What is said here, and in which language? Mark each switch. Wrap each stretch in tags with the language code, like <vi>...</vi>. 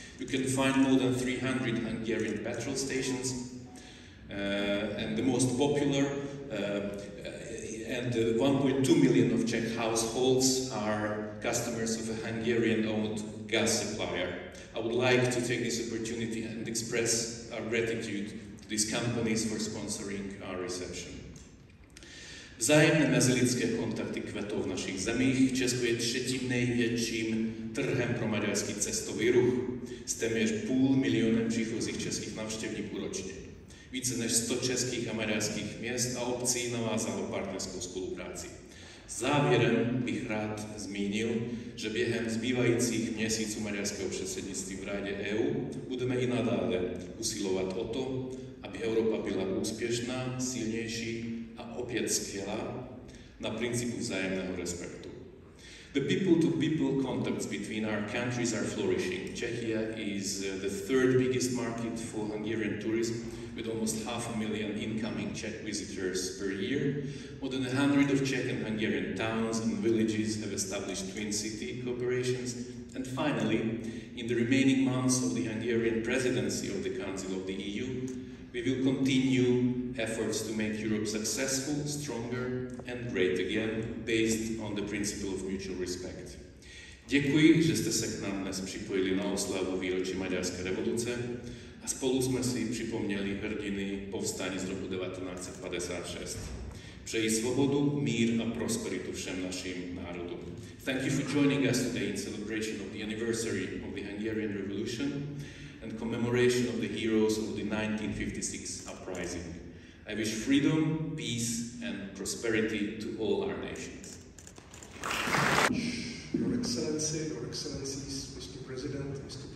<en>You can find more than 300 Hungarian petrol stations, and the most popular, and 1.2 million of Czech households are customers of a Hungarian-owned gas supplier. I would like to take this opportunity and express our gratitude to these companies for sponsoring our reception.</en> <cs>Vzájemné mezilidské kontakty kvetou v našich zemích. Česko je 3. největším trhem pro maďarský cestový ruch s téměř 500 000 příchozích českých návštěvníků ročně. Více než 100 českých a maďarských měst a obcí navázalo partnerskou spolupráci. Závěrem bych rád zmínil, že během zbývajících měsíců maďarského předsednictví v Radě EU budeme i nadále usilovat o to, aby Evropa byla úspěšná, silnější a opět skvělá na principu vzájemného respektu.</cs> <en>The people-to-people contacts between our countries are flourishing. Czechia is the 3rd biggest market for Hungarian tourism, with almost 500,000 incoming Czech visitors per year. More than 100 of Czech and Hungarian towns and villages have established twin city cooperations. And finally, in the remaining months of the Hungarian presidency of the Council of the EU, we will continue efforts to make Europe successful, stronger and great again, based on the principle of mutual respect.</en> <cs>Děkuji, že jste se k nám dnes připojili na oslavu výročí Maďarské revoluce. A spolu jsme si připomněli hrdiny povstání z roku 1956. Přeji svobodu, mír a prosperitu všem našim národům.</cs> <en>Thank you for joining us today in celebration of the anniversary of the Hungarian Revolution. and commemoration of the heroes of the 1956 uprising. I wish freedom, peace and prosperity to all our nations. Your Excellency, Your Excellencies, Mr. President, Mr.</en>